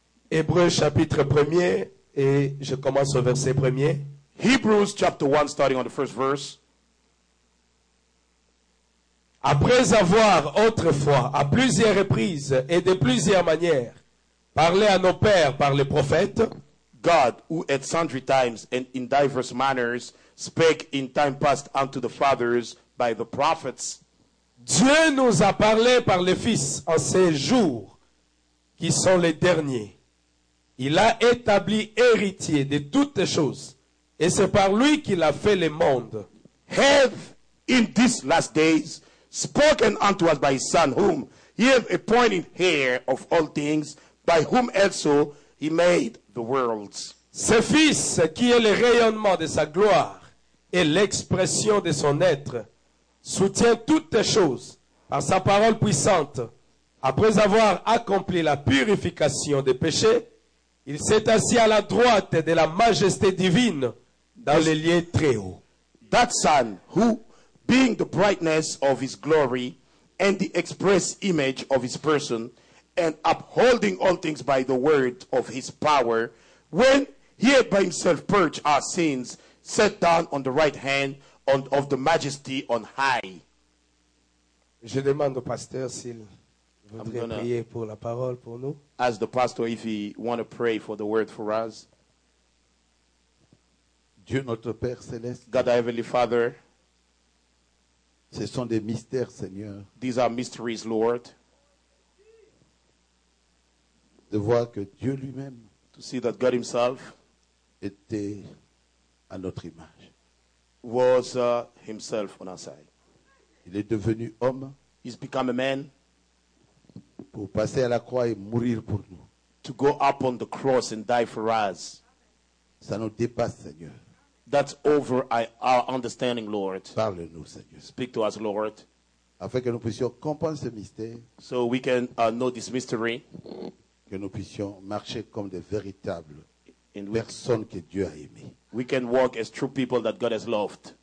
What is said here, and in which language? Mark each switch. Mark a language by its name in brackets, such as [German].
[French] Hébreux chapitre 1er, et je commence au verset 1er. [English] Hebrews chapter 1, starting on the first verse. [French] Après avoir autrefois, à plusieurs reprises et de plusieurs manières, parler à nos pères par les prophètes. [English] God, who at sundry times and in diverse manners spake in time past unto the fathers by the prophets. [French] Dieu nous a parlé par les fils en ces jours qui sont les derniers. Il a établi héritier de toutes les choses et c'est par lui qu'il a fait le monde. [English] Have in these last days spoken unto us by his son whom he have appointed heir of all things. By whom also he made the worlds. [French] Ce fils qui est le rayonnement de sa gloire et l'expression de son être soutient toutes les choses par sa parole puissante. Après avoir accompli la purification des péchés, il s'est assis à la droite de la majesté divine dans les lieux très hauts. [English] That son who, being the brightness of his glory and the express image of his person, and upholding all things by the word of his power, when he had by himself purged our sins, sat down on the right hand of the majesty on high. [French] Je demande au pasteur s'il voudrait prier pour la parole pour nous. [English] Ask the pastor if he want to pray for the word for us. [French] Dieu notre Père céleste. [English] God our Heavenly Father. [French] Ce sont des mystères, Seigneur. [English] These are mysteries, Lord. [French] De voir que Dieu lui-même [English] to see that God himself [French] était à notre image. [English] Was himself on our side. [French] Il est devenu homme. [English] He's become a man. [French] Pour passer à la croix et mourir pour nous. [English] To go up on the cross and die for us. [French] Ça nous dépasse, Seigneur. [English] That's over our understanding, Lord. [French] Parle-nous, Seigneur. [English] Speak to us, Lord. [French] Afin que nous puissions comprendre ce mystère. [English] So we can know this mystery. [French] Que nous puissions marcher comme des véritables personnes que Dieu a aimées. [English] We can walk as true people that God has loved.